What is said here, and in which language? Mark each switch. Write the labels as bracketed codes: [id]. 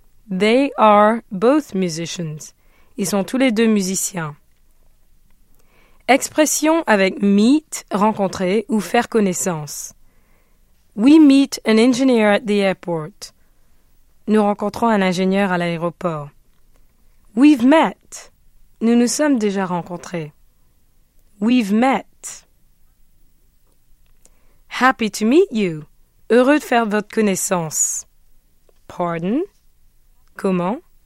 [en] They are both musicians. [fr] Ils sont tous les deux musiciens. Expression avec meet, rencontrer ou faire connaissance. [en] We meet an engineer at the airport. [fr] Nous rencontrons un ingénieur à l'aéroport. [en] We've met. [fr] Nous nous sommes déjà rencontrés. [en] We've met. Happy to meet you. [fr] Heureux de faire votre connaissance. Pardon? Comment?